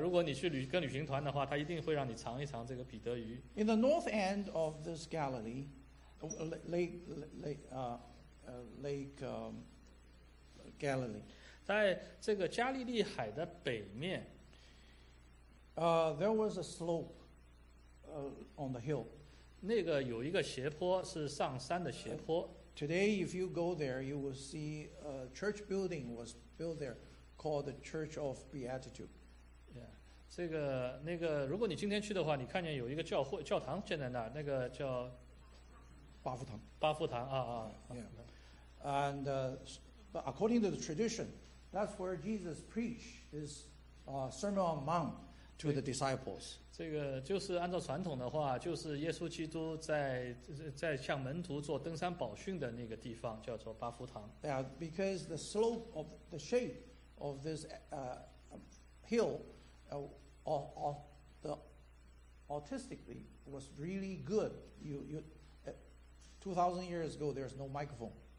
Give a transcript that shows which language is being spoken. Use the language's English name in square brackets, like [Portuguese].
[Chinese] 如果你去跟旅行团的话，他一定会让你尝一尝这个彼得鱼。 [English] In the north end of this Galilee, Lake Galilee， [Chinese] 在这个加利利海的北面。 [English] There was a slope, on the hill。 [Chinese] 那个有一个斜坡，是上山的斜坡。 [English] Today, if you go there, you will see a church building was built there called the Church of Beatitude. [Chinese] Yeah, 这个那个，如果你今天去的话，你看见有一个教会教堂建在那，那个叫巴夫堂。巴夫堂啊啊。 [English] Yeah. And according to the tradition, that's where Jesus preached his Sermon on the Mount to the disciples. [Chinese] 这个就是按照传统的话，就是耶稣基督在向门徒做登山宝训的那个地方，叫做巴夫堂。 [English] Yeah, because the slope of the shape of this hill, the artistically was really good. You 2,000 years ago, there's no microphone.